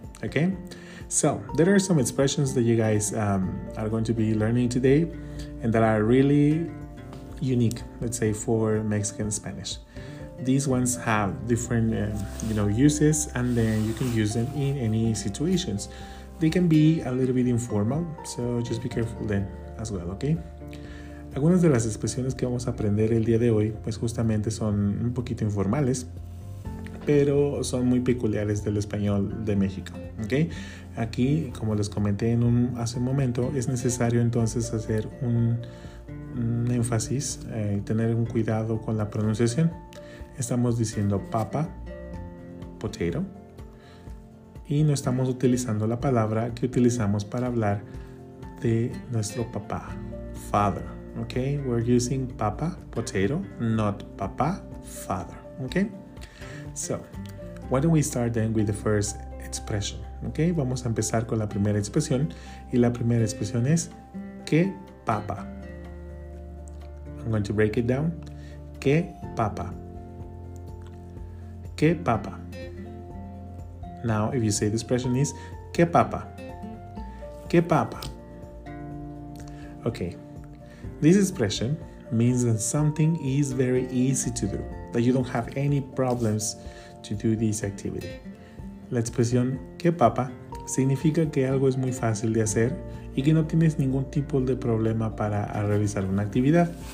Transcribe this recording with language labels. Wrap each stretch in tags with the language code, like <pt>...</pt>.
<en>Okay, so there are some expressions that you guys are going to be learning today, and that are really unique, let's say, for Mexican Spanish. These ones have different uses, and then you can use them in any situations. They can be a little bit informal, so just be careful then as well.</en> <es>Okay, algunas de las expresiones que vamos a aprender el día de hoy pues justamente son un poquito informales, pero son muy peculiares del español de México. Okay, aquí, como les comenté hace un momento, es necesario entonces hacer un énfasis, tener un cuidado con la pronunciación. Estamos diciendo papa, potato, y no estamos utilizando la palabra que utilizamos para hablar de nuestro papá, father.</es> <en>Okay, we're using papa, potato, not papa, father. Okay, so why don't we start then with the first expression,</en> <es>¿ok? Vamos a empezar con la primera expresión. Y la primera expresión es, ¿qué papa?</es> <en>I'm going to break it down.</en> <es>¿Qué papa? ¿Qué papa?</es> <en>Now, if you say the expression is, ¿qué papa? ¿Qué papa? Okay. This expression means that something is very easy to do, that you don't have any problems to do this activity.</en> <es>La expresión ¿qué papa? Significa que algo es muy fácil de hacer y que no tienes ningún tipo de problema para realizar una actividad.</es>